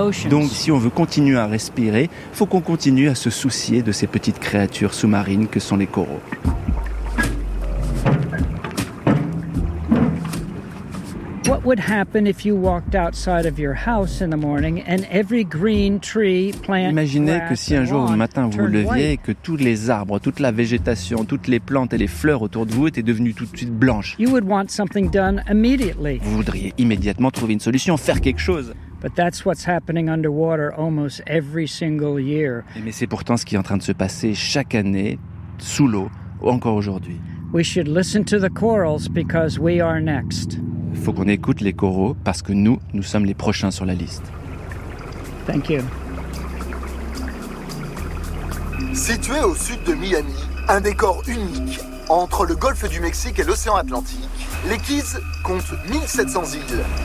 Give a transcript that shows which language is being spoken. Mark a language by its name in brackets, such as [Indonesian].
[French] Donc, si on veut continuer à respirer, il faut qu'on continue à se soucier de ces petites créatures sous-marines que sont les coraux. [English] What would happen if you walked outside of your house in the morning and every green tree, plant, [French] imaginez que si un jour au matin vous leviez et que tous les arbres, toute la végétation, toutes les plantes et les fleurs autour de vous étaient devenues tout de suite blanches. [English] You would want something done immediately. [French] Vous voudriez immédiatement trouver une solution, faire quelque chose. [English] But that's what's happening underwater almost every single year. [French] Mais c'est pourtant ce qui est en train de se passer chaque année sous l'eau encore aujourd'hui. [English] We should listen to the corals because we are next. [French] Il faut qu'on écoute les coraux parce que nous, nous sommes les prochains sur la liste. [English] Thank you. [French] Situé au sud de Miami, un décor unique entre le golfe du Mexique et l'océan Atlantique, les Keys comptent 1700 îles.